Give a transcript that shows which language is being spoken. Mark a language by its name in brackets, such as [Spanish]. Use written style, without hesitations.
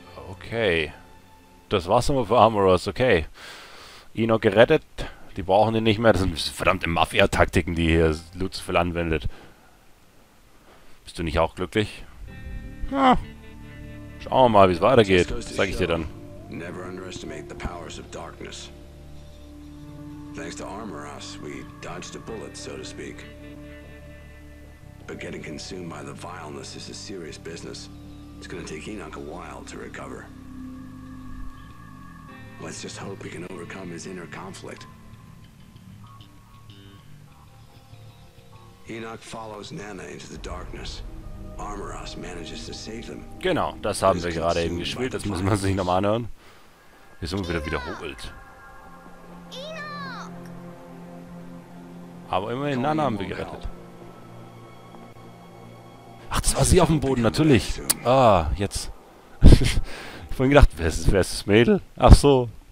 [German] Okay. Das war's nochmal für Armorers, okay. Ino gerettet. Die brauchen ihn nicht mehr. Das sind verdammte Mafia-Taktiken, die hier Lucifer anwendet. Bist du nicht auch glücklich? Ja. Schauen wir mal, wie es weitergeht. Das zeig ich dir dann. [English] Never underestimate the powers of darkness. Thanks to Armorers, we dodged a bullet, so to speak. But getting consumed by the vileness is a serious business. It's gonna take Enoch a while to recover. Let's just hope we can overcome his inner conflict. Enoch follows Nana into the darkness. Armorers manages to save him. [German] Genau, das haben wir gerade eben gespielt. Das muss man sich nochmal anhören. Wir sind wieder wiederholt. Aber immerhin Nana haben wir gerettet. Ach, das war sie auf dem Boden, natürlich. Ah, jetzt. Ich vorhin gedacht, wer ist das Mädel? Ach so.